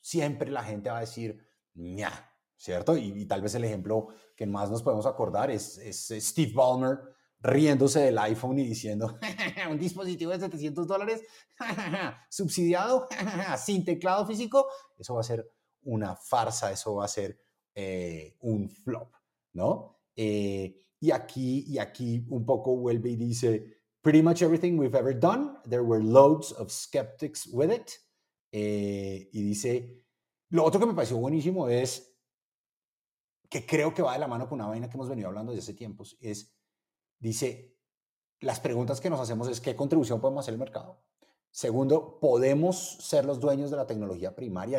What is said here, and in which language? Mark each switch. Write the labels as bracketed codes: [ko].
[es] Siempre la gente va a decir, ña, ¿cierto? Y tal vez el ejemplo que más nos podemos acordar es Steve Ballmer riéndose del iPhone y diciendo, un dispositivo de $700, subsidiado, sin teclado físico, eso va a ser una farsa, eso va a ser un flop, ¿no? Y aquí un poco vuelve y dice, [en] pretty much everything we've ever done, there were loads of skeptics with it. [es] Y dice, lo otro que me pareció buenísimo es, que creo que va de la mano con una vaina que hemos venido hablando desde hace tiempos, es, dice, las preguntas que nos hacemos es, ¿qué contribución podemos hacer al mercado? Segundo, ¿podemos ser los dueños de la tecnología primaria?